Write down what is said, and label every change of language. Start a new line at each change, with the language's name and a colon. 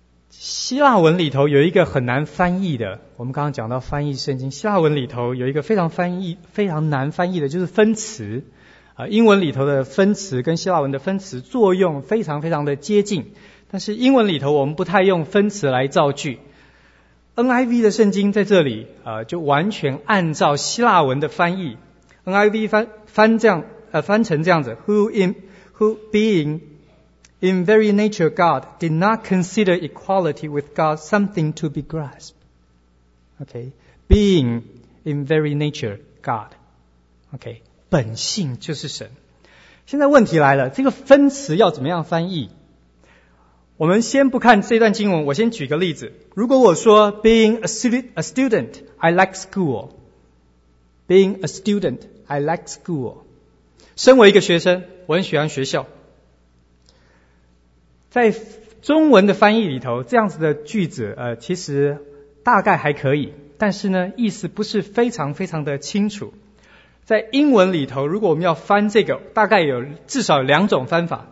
Chinese: 希腊文里头有一个很难翻译的，我们刚刚讲到翻译圣经，希腊文里头有一个非常难翻译的，就是分词。英文里头的分词跟希腊文的分词作用非常非常的接近，但是英文里头我们不太用分词来造句。 NIV 的圣经在这里就完全按照希腊文的翻译。
English: NIV
Chinese: 翻成这样子
English: ,who being in very nature God did not consider equality with God something to be grasped. Okay. Being in very nature God.
Chinese: Okay. 本性就是神。现在问题来了，这个分词要怎么样翻译？我们先不看这段经文，我先举个例子。如果我说
English: being a student, I like school. Being a student, I like school.
Chinese: 身为一个学生，我很喜欢学校。在中文的翻译里头，这样子的句子其实大概还可以，但是呢意思不是非常非常的清楚。在英文里头，如果我们要翻这个，大概有至少有两种翻法。